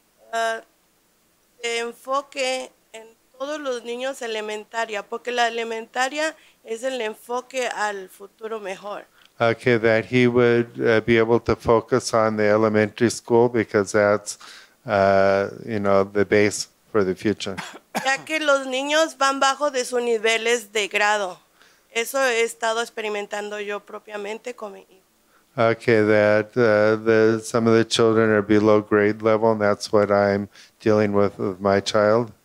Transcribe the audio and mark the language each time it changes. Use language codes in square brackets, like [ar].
[es] Se enfoque en todos los niños elementaria, porque la elementaria es el enfoque al futuro mejor. [en] Okay, that he would be able to focus on the elementary school because that's, the base for the future. [es] Ya que los niños van bajo de sus niveles de grado. Eso he estado experimentando yo propiamente con mi hijo. [en] Okay, that some of the children are below grade level and that's what I'm dealing with my child.